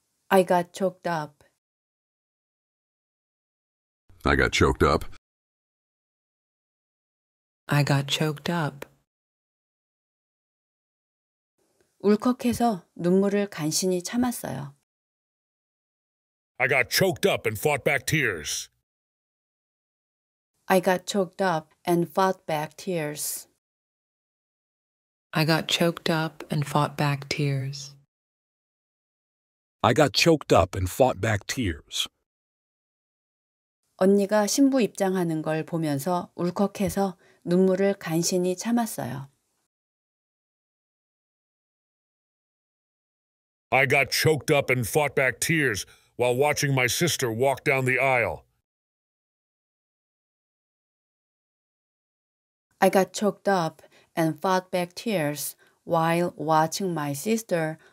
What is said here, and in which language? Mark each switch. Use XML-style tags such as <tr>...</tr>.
<en>I got choked up. I got choked up. I got choked up.</en> <ko>울컥해서 눈물을 간신히 참았어요.</ko> <en>I got choked up and fought back tears. I got choked up and fought back tears. I got choked up and fought back tears. I got choked up and fought back tears.</en> <ko>언니가 신부 입장하는 걸 보면서 울컥해서 눈물을 간신히 참았어요.</ko> <en>I got choked up and fought back tears while watching my sister walk down the aisle. I got choked up and fought back tears while watching my sister</en>